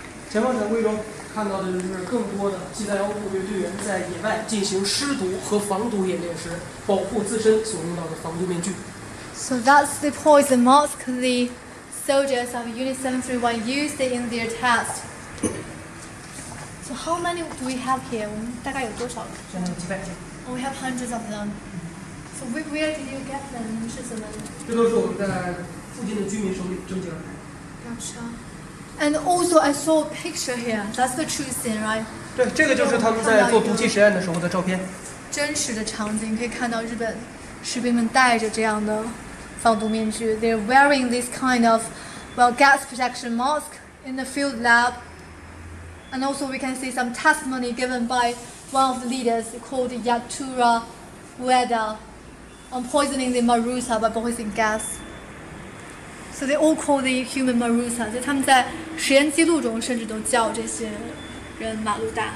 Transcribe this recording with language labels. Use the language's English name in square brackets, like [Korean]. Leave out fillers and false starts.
[Chinese] 前方展柜中看到的就是更多的731部队队员在野外进行施毒和防毒演练时，保护自身所用到的防毒面具。 [English] So that's the poison mask the soldiers of Unit 731 used in their test. So how many do we have here? [Chinese] 我们大概有多少？几百件。 [English] We have hundreds of them. So where did you get them? [Chinese] 你是怎么？这都是我们在附近的居民手里征集来的。 [English] Gotcha. And also, I saw a picture here. That's the true scene, right? [Chinese] 对，这个就是他们在做毒气实验的时候的照片。真实的场景，可以看到日本。士兵们戴着这样的放毒面具。 [English] They're wearing this kind of, well, gas protection mask in the field lab. And also we can see some testimony given by one of the leaders called Yatura Ueda on poisoning the Marusa by poison gas. So they all call the human Marusa. [Chinese] 他们在实验记录中甚至都叫这些人马路大。